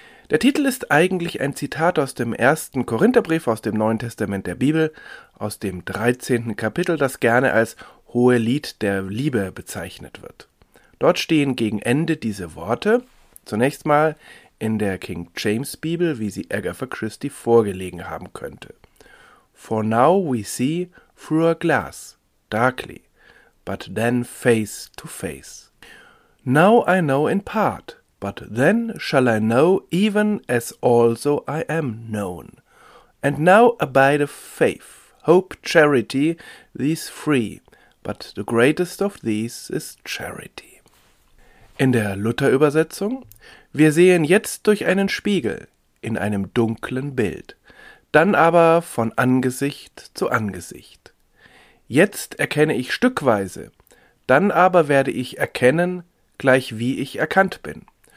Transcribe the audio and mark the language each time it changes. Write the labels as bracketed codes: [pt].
[de] Der Titel ist eigentlich ein Zitat aus dem 1. Korintherbrief aus dem Neuen Testament der Bibel, aus dem 13. Kapitel, das gerne als Hohelied der Liebe bezeichnet wird. Dort stehen gegen Ende diese Worte, zunächst mal in der King James Bibel, wie sie Agatha Christie vorgelegen haben könnte. [en] For now we see through a glass, darkly, but then face to face. Now I know in part, but then shall I know even as also I am known. And now abide faith, hope, charity, these three, but the greatest of these is charity. [de] In der Luther-Übersetzung, wir sehen jetzt durch einen Spiegel in einem dunklen Bild. Dann aber von Angesicht zu Angesicht. Jetzt erkenne ich stückweise, dann aber werde ich erkennen, gleich wie ich erkannt bin.